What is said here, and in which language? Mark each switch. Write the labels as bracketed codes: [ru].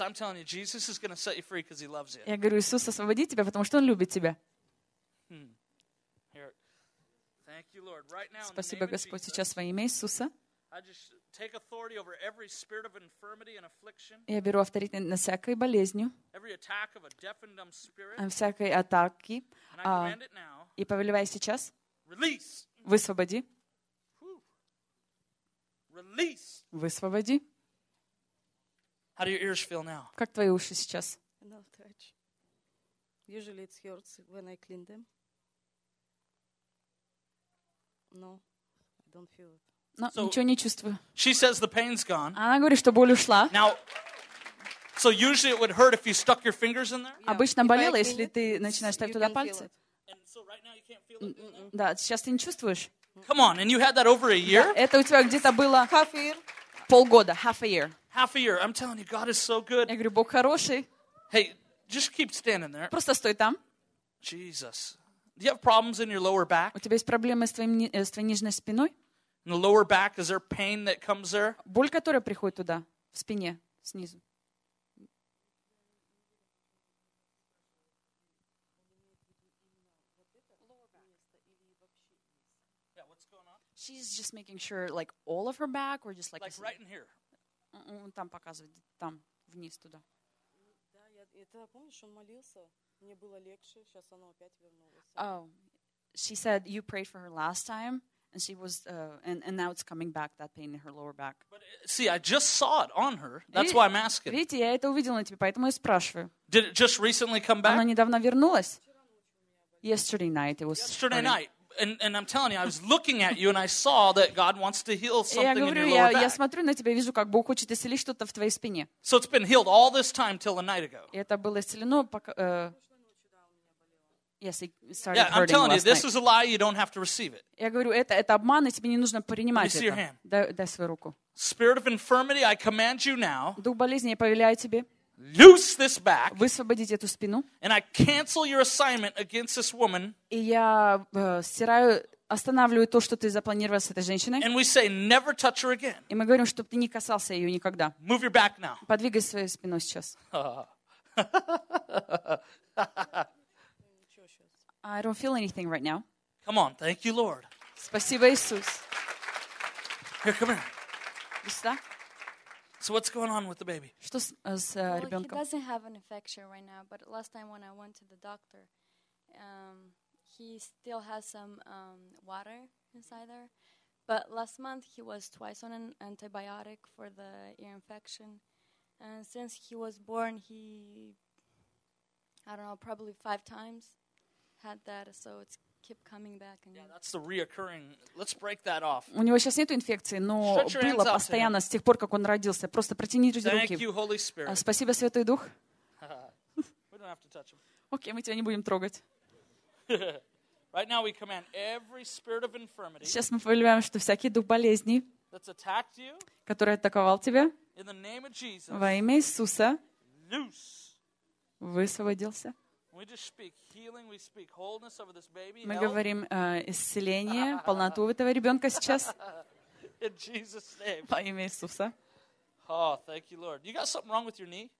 [en] I'm telling you, Jesus is going to set you free because He loves you. [ru] Я говорю, Иисус освободит тебя, потому что Он любит тебя. [en] Here. Thank you, Lord. Right now. [ru] Спасибо, Господь, сейчас во имя Иисуса. [en] I just take authority over every spirit of infirmity and affliction. [ru] Я беру авторитет на всякой болезнью. [en] Every attack of a deaf and dumb spirit. [ru] На всякой атаке. И повелеваю сейчас. [en] Release. [ru] Высвободи. [en] Release. [ru] Высвободи. [en] How do your ears feel now? [ru] Как твои уши сейчас? [en] No touch. Usually it hurts when I clean them. No, I don't feel it. No, so [ru] ничего не чувствую. [en] She says the pain's gone. [ru] Она говорит, что боль ушла. [en] Now, so usually it would hurt if you stuck your fingers in there. [ru] Обычно болело, если ты начинаешь ставить туда пальцы. [en] So right now you can't feel it. [ru] Да, сейчас ты не чувствуешь. [en] Come on, and you had that over a year? [ru] Да, это у тебя где-то было [en] half a year. [ru] Полгода, [en] half a year. Half a year. I'm telling you, God is so good. [ru] Я говорю, Бог хороший. [en] Hey, just keep standing there. [ru] Просто стой там. [en] Jesus. Do you have problems in your lower back? [ru] У тебя есть проблемы с твоей нижней спиной? [en] In the lower back, is there pain that comes there? [ru] Боль, которая приходит туда, в спине, снизу. [en] She's just making sure, like, all of her back, or just like right in here. [ru] Там показывает, там, вниз, туда. Да, это, помнишь, он молился, мне было легче, сейчас оно опять вернулось. [en] Oh, she said you prayed for her last time, and she was, and now it's coming back, that pain in her lower back. But, see, I just saw it on her, that's why I'm asking. [ru] Видите, я это увидела на тебе, поэтому я спрашиваю. [en] Did it just recently come back? [ru] Она недавно вернулась. [en] Yesterday night, it was. Yesterday night. And I'm telling you, I was looking at you, and I saw that God wants to heal something in your lower back. [ru] Я смотрю на тебя, вижу, как Бог хочет исцелить что-то в твоей спине. [en] So it's been healed all this time till a night ago. [ru] Это было исцелено пока. [en] Yes, it started hurting. Yeah, I'm telling you, this is a lie. You don't have to receive it. [ru] Я говорю, это обман, и тебе не нужно принимать это. [en] See your hand. [ru] Дай свою руку. [en] Spirit of infirmity, I command you now. [ru] Дух болезни, я повелеваю тебе. [en] Loose this back. [ru] Высвободить эту спину. [en] And I cancel your assignment against this woman. [ru] И я стираю, останавливаю то, что ты запланировал с этой женщиной. [en] And we say never touch her again. [ru] И мы говорим, чтобы ты не касался ее никогда. [en] Move your back now. [ru] Подвигай свою спину сейчас. [en] I don't feel anything right now. Come on, thank you, Lord. [ru] Спасибо, Иисус. [en] Here, come here. Иста. So what's going on with the baby? [ru] Что с ребенком? [en] Well, he doesn't have an infection right now, but last time when I went to the doctor, he still has some water inside there. But last month he was twice on an antibiotic for the ear infection. And since he was born, he, I don't know, probably five times had that. So it's kept coming back. And yeah, that's the reoccurring. Let's break that off. [ru] У него сейчас нет инфекции, но было постоянно с тех пор, как он родился. Просто протяни руки. [en] Thank you, Holy Spirit. [ru] Спасибо, Святой Дух. [en] We don't have to touch him. [ru] Окей, мы тебя не будем трогать. [en] Right now we command every spirit of infirmity. [ru] Сейчас мы повелеваем, что всякий дух болезни, [en] that's attacked you, [ru] который атаковал тебя, [en] in the name of Jesus, [ru] во имя Иисуса, [en] loose, [ru] высвободился. [en] We just speak healing, we speak wholeness over this baby. [ru] Мы говорим исцеление, полноту этого ребенка сейчас. [en] In Jesus' name. [ru] Во имя Иисуса. [en] Oh, thank you, Lord. You got something wrong with your knee?